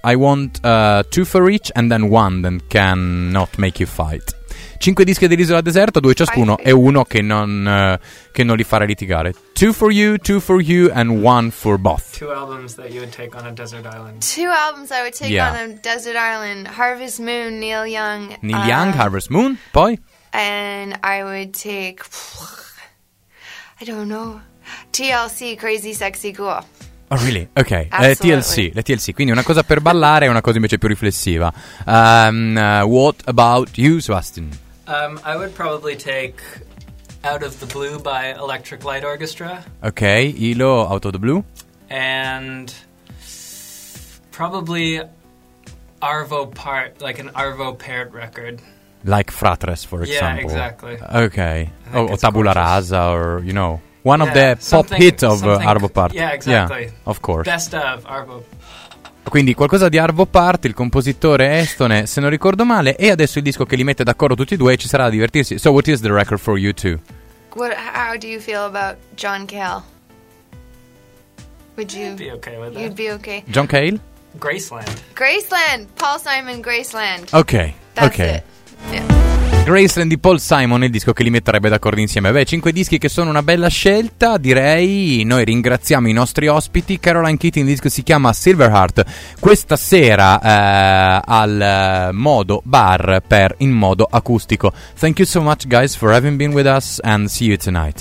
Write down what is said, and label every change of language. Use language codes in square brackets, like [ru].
[en] I want 2 for each and then 1 that cannot make you fight. [it] 5 dischi dell'isola deserta, 2 ciascuno e 1 che non li farà litigare. [en] 2 for you, 2 for you and 1 for both. 2 albums that you would take on a desert island. 2 albums I would take on a desert island. Harvest Moon, Neil Young. [it] Neil Young, Harvest Moon, poi? [en] And I would take... I don't know. TLC, Crazy Sexy Cool. Oh, really? Ok. TLC, la TLC. [it] Quindi una cosa per ballare e una cosa invece più riflessiva. [en] What about you, Sebastian? I would probably take Out of the Blue by Electric Light Orchestra. Ok, ILO, Out of the Blue. And probably Arvo part, like an Arvo paired record. Like Fratres, for example. Yeah, exactly. Okay. Or Tabula Rasa, or, you know, one of the pop hits of Arvo Part. Yeah, exactly. Yeah, of course. Best of Arvo. [it] Quindi qualcosa di Arvo Part, il compositore estone, se non ricordo male, e adesso il disco che li mette d'accordo tutti e due, ci sarà da divertirsi. [en] So what is the record for you two? What, how do you feel about John Cale? Would you... I'd be okay with that. You'd be okay. John Cale? Graceland. Graceland! Paul Simon, Graceland. Okay. That's okay. It. Yeah. [it] Graceland di Paul Simon, il disco che li metterebbe d'accordo insieme. Beh, cinque dischi che sono una bella scelta, direi. Noi ringraziamo i nostri ospiti. Caroline Keating, il disco si chiama Silverheart. Questa sera al Modo Bar per In Modo Acustico. [en] Thank you so much guys for having been with us and see you tonight.